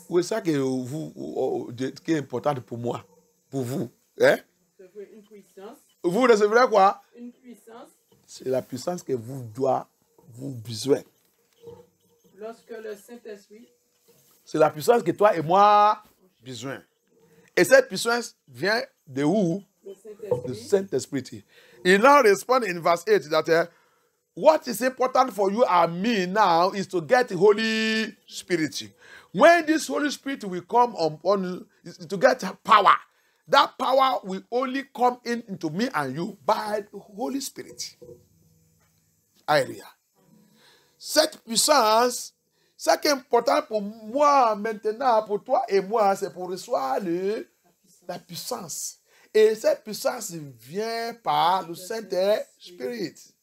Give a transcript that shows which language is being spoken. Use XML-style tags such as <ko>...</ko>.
<fr>Oui, ça que vous qui est important pour moi, pour vous, hein? Recevrez une puissance. Vous recevrez quoi? Une puissance. C'est la puissance que vous doit vous besoin. Lorsque le Saint-Esprit. C'est la puissance que toi et moi besoin. Et cette puissance vient de où? Le Saint-Esprit.</fr> <en>He now responds in verse 8 that what is important for you and me now is to get the Holy Spirit. When this Holy Spirit will come upon you to get power, that power will only come into me and you by the Holy Spirit. Hallelujah.</en> <fr>Cette puissance, ce qui est important pour moi maintenant, pour toi et moi, c'est pour recevoir la puissance. Et cette puissance vient par le Saint-Esprit.</fr>